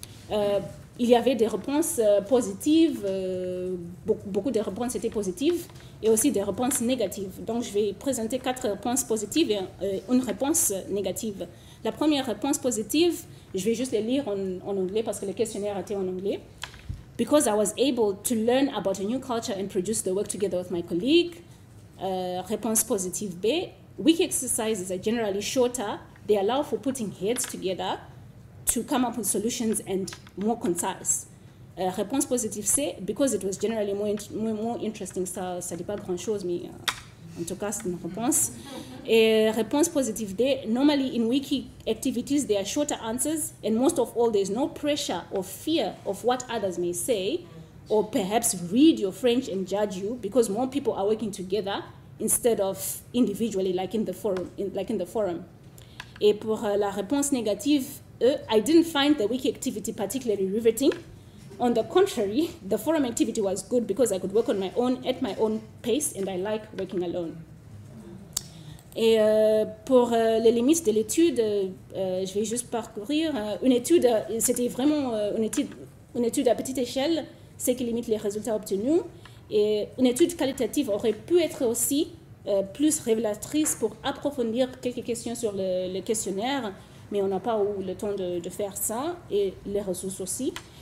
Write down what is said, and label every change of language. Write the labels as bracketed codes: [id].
[fr] Il y avait des réponses positives, beaucoup de réponses étaient positives et aussi des réponses négatives. Donc je vais présenter quatre réponses positives et une réponse négative. La première réponse positive, je vais juste les lire en anglais parce que le questionnaire était en anglais. [en] Because I was able to learn about a new culture and produce the work together with my colleague. [fr] Réponse positive B. [en] Week exercises are generally shorter. They allow for putting heads together to come up with solutions and more concise. [fr] Réponse positive C. [en] Because it was generally more interesting. [fr] Ça dit pas grand chose, mais en tout cas, c'est une réponse. Et réponse positive D. [en] Normally, in wiki activities, there are shorter answers, and most of all, there's no pressure or fear of what others may say, or perhaps read your French and judge you, because more people are working together instead of individually, like in the forum. [fr] Et pour la réponse négative E, [en] I didn't find the wiki activity particularly riveting. On the contrary, the forum activity was good because I could work on my own at my own pace and I like working alone. [fr] Et pour les limites de l'étude, je vais juste parcourir. Une étude, c'était vraiment une étude à petite échelle, ce qui limite les résultats obtenus. Et une étude qualitative aurait pu être aussi plus révélatrice pour approfondir quelques questions sur le questionnaire, mais on n'a pas le temps de faire ça, et les ressources aussi.